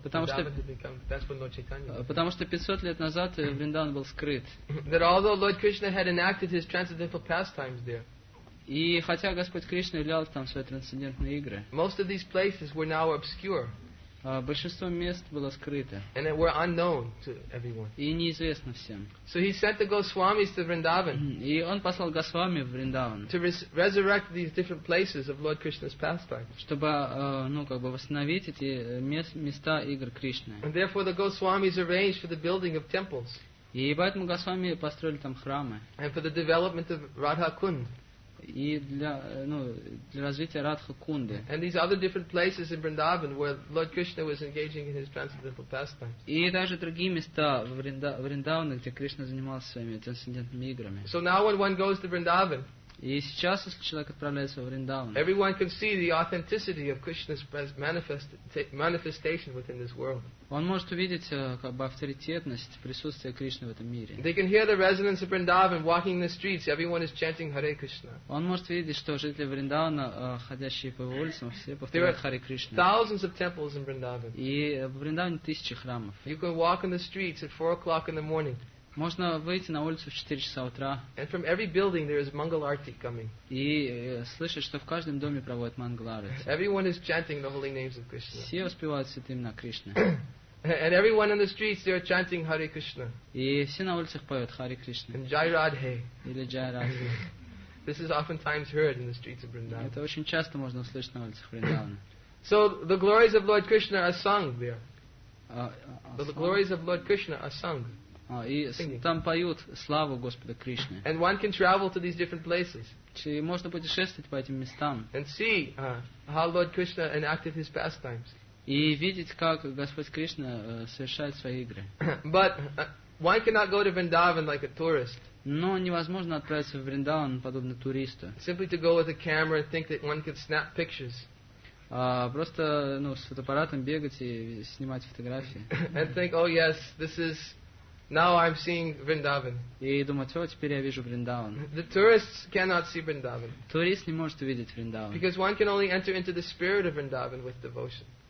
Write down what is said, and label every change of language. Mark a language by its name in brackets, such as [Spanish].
[Russian] потому что 500 лет назад Вриндаван был скрыт. [English] That although Lord Krishna had enacted his transcendental pastimes there. [Russian] И хотя Господь Кришна являл там свои трансцендентные игры. [English] Most of these places were now obscure. [Russian] Большинство мест было скрыто. [English] And they were unknown to everyone. [Russian] И неизвестно всем. [English] So he sent the Goswamis to Vrindavan. [Russian] И он послал Госвами в Вриндаван. [English] To resurrect these different places of Lord Krishna's pastimes. [Russian] Чтобы восстановить эти места игр Кришны. [English] And therefore the Goswamis arranged for the building of temples. [Russian] И поэтому Госвами построили там храмы. [English] And for the development of Radha Kund. [Russian] И для развития Радха Кунды. [English] And these other different places in Vrindavan where Lord Krishna was engaging in his transcendental pastimes. [Russian] И даже другие места в Вриндаване, где Кришна занимался своими трансцендентными играми. [English] So now when one goes to Vrindavan, [Russian] и сейчас, если человек отправляется в Вриндаван, [English] everyone can see the authenticity of Krishna's manifestation within this world. [Russian] Он может увидеть авторитетность присутствия Кришны в этом мире. [English] They can hear the residents of Vrindavan walking in the streets. Everyone is chanting Hare Krishna. [Russian] Он может видеть, что жители Вриндавана, ходящие по улицам, все повторяют Харе Кришна. [English] There are thousands of temples in Vrindavan. [Russian] И в Вриндаване тысячи храмов. [English] You can walk in the streets at 4 o'clock in the morning. [Russian] Можно выйти на улицу в 4 часа утра. [English] And from every building there is Mangal Arati coming. [Russian] И слышишь, что в каждом доме проводят Mangal Arati. [English] Everyone is chanting the holy names of Krishna. [Russian] Все воспевают святые имена Кришны. [English] And everyone on the streets they are chanting Hare Krishna. [Russian] И все на улицах поют Харе Кришна. [English] And Jai Radhe. [Russian] Или Jai Radhe. [English] This is oftentimes heard in the streets of Vrindavan. [Russian] Это очень часто можно услышать на улицах Вриндавана. [English] So the glories of Lord Krishna are sung there. The glories of Lord Krishna are sung. [Russian] И там поют славу Господа Кришны. [English] And one can travel to these different places. [Russian] И можно путешествовать по этим местам. [English] And see how Lord Krishna enacted his pastimes. [Russian] И видеть, как Господь Кришна совершает свои игры. [English] But one cannot go to Vrindavan like a tourist. [Russian] Но невозможно отправиться в Вриндаван подобно туристу. [English] Simply to go with a camera and think that one could snap pictures. [Russian] Просто с фотоаппаратом бегать и снимать фотографии. [English] And think, oh yes, this is. Now I'm seeing Vrindavan. [Russian] И думать, теперь я вижу Вриндаван. [English] The tourists cannot see Vrindavan. [Russian] Турист не может увидеть Вриндаван. [English] Because one can only enter into the spirit of Vrindavan with devotion.